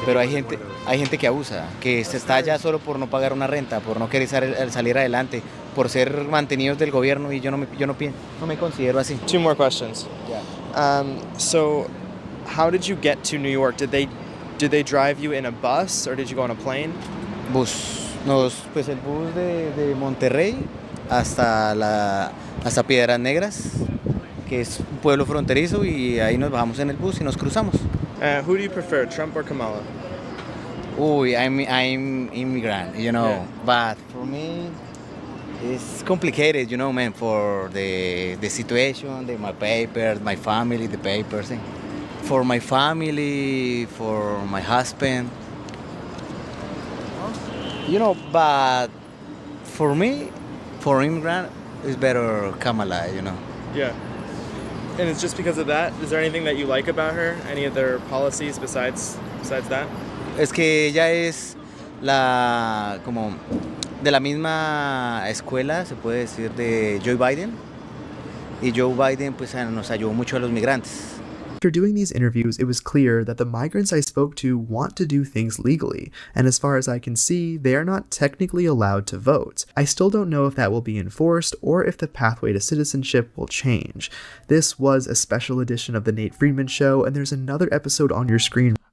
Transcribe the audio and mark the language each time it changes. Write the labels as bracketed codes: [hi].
[es] Pero hay gente que abusa, que se está allá solo por no pagar una renta, por no querer salir adelante, por ser mantenidos del gobierno y yo no me considero así. [en] Two more questions. Yeah. So how did you get to New York? Did they drive you in a bus or did you go on a plane? Bus. [es] Pues el bus de Monterrey hasta Piedras Negras, que es un pueblo fronterizo, y ahí nos bajamos en el bus y nos cruzamos. [en] Who do you prefer, Trump or Kamala? Uy, I'm immigrant, you know. Yeah. But for me, it's complicated, you know, man, for the situation, my papers, my family, the papers. Eh? For my family, for my husband. You know, but for me, for immigrant, it's better Kamala, you know. Yeah. And it's just because of that? Is there anything that you like about her? Any of their policies besides that? [es] Es que ella es la, como, de la misma escuela, se puede decir, de Joe Biden. Y Joe Biden, pues, nos ayudó mucho a los migrantes. [en] After doing these interviews, it was clear that the migrants I spoke to want to do things legally, and as far as I can see, they are not technically allowed to vote. I still don't know if that will be enforced or if the pathway to citizenship will change. This was a special edition of the Nate Friedman Show, and there's another episode on your screen.